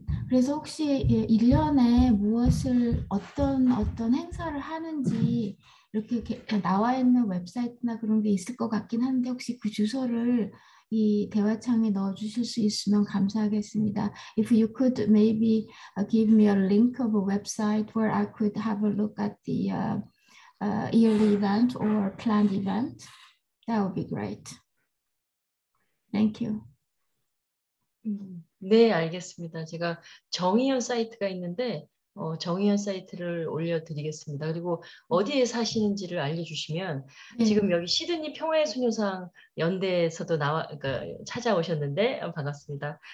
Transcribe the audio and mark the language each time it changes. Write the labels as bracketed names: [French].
[Korean] 그래서 혹시 1년에 무엇을 어떤 행사를 하는지 이렇게 나와 있는 웹사이트나 그런 게 있을 것 같긴 한데 혹시 그 주소를 이 대화창에 넣어주실 수 있으면 감사하겠습니다. [English] If you could maybe give me a link of a website where I could have a look at the yearly event or planned event, that would be great. Thank you. [Korean] 네, 알겠습니다. 제가 정의연 사이트가 있는데 정의연 사이트를 올려드리겠습니다. 그리고 어디에 사시는지를 알려주시면 지금 여기 시드니 평화의 소녀상 연대에서도 찾아오셨는데 반갑습니다.